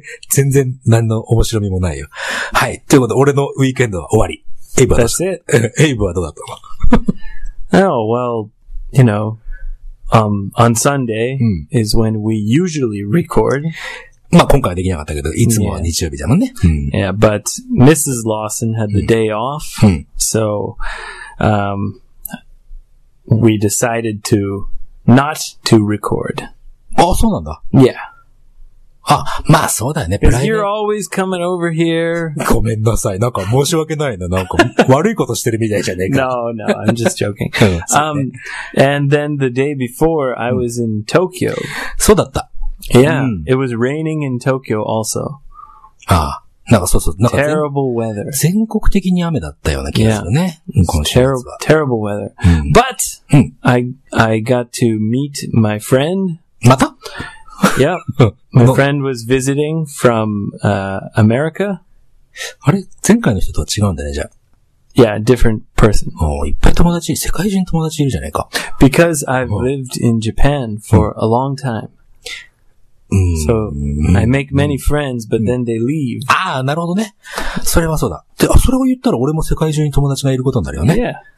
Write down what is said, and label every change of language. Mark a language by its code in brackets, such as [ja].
[ja] 全然何の面白みもないよ。はい。ということで、俺のウィークエンドは終わり。エイブはどうだ [en] That's it. [ja] エイブはどうだった [en] の？Oh, well, you know, on Sunday is when we usually record. [ja] まあ、今回はできなかったけど、いつもは日曜日だもんね。 [en] Yeah. Yeah, but Mrs. Lawson had the day off, so, we decided to not to record. [ja] あ、そうなんだ。 [en] Yeah. [ja] あ、まあそうだよね。 [en] Because you're always coming over here. [ja] ごめんなさい。なんか申し訳ないな。なんか悪いことしてるみたいじゃねえか。 [en] No, I'm just joking. and then the day before, I was in Tokyo. [ja] そうだった。 [en] Yeah,it was raining in Tokyo also. [ja] ああ、なんかそうそう。なんか [en] terrible weather. [ja] 全国的に雨だったような気がするね。 [en] Terrible weather. But I got to meet my friend. [ja] また？ [en] Yeah, my friend was visiting from, America. [ja] あれ前回の人とは違うんだね、じゃあ。 [en] Yeah, different person. [ja] おー、いっぱい友達、世界中に友達いるじゃないか。 [en] Because I've lived in Japan for a long time. So, I make many friends, but then they leave. [ja] ああ、なるほどね。それはそうだ。で、あ、それを言ったら俺も世界中に友達がいることになるよね。